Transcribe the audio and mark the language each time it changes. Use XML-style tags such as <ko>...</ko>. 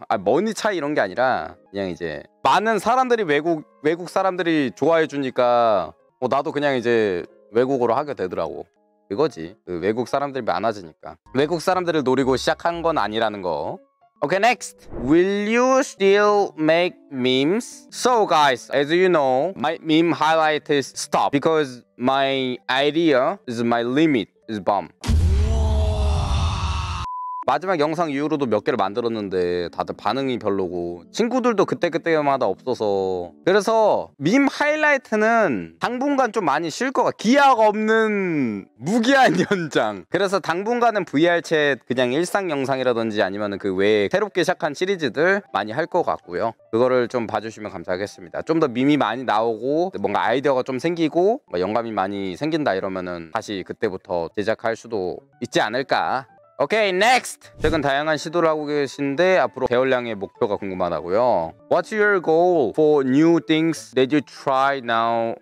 <ko>아, 머니 차이 이런 게 아니라 그냥 이제 많은 사람들이 외국 사람들이 좋아해 주니까 나도 그냥 이제 외국어로 하게 되더라고. 그거지. 그 외국 사람들이 많아지니까. 외국 사람들을 노리고 시작한 건 아니라는 거.</ko> <en>Okay, next. Will you still make memes? So guys, as you know, my meme highlight is stop because my idea is my limit is bomb.</en> <ko>마지막 영상 이후로도 몇 개를 만들었는데 다들 반응이 별로고 친구들도 그때그때마다 없어서 그래서 밈 하이라이트는 당분간 좀 많이 쉴 것 같아. 기약 없는 무기한 연장. 그래서 당분간은 VR챗 그냥 일상 영상이라든지 아니면 그 외에 새롭게 시작한 시리즈들 많이 할 것 같고요. 그거를 좀 봐주시면 감사하겠습니다. 좀 더 밈이 많이 나오고 뭔가 아이디어가 좀 생기고 영감이 많이 생긴다 이러면은 다시 그때부터 제작할 수도 있지 않을까.</ko> <en>Okay, next.</en> <ko>최근 다양한 시도를 하고 계신데 앞으로 배열량의 목표가 궁금하다고요.</ko> <en>What's your goal for new things that you try now?</en>